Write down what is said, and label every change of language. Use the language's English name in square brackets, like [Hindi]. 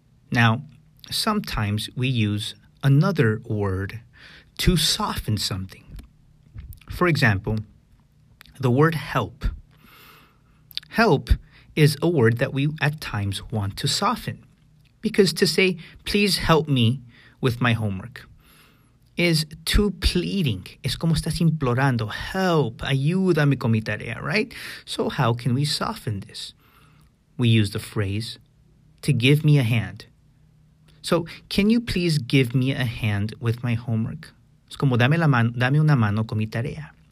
[English] Now, sometimes we use another word to soften something. For example, the word help. Help is a word that we at times want to soften. Because to say, please help me with my homework, is too pleading. [Spanish] Es como estás implorando, help, ayúdame con mi tarea, [English] right? So how can we soften this? We use the phrase, to give me a hand. So, can you please give me a hand with my homework? [Spanish] Es como, dame una mano con mi tarea.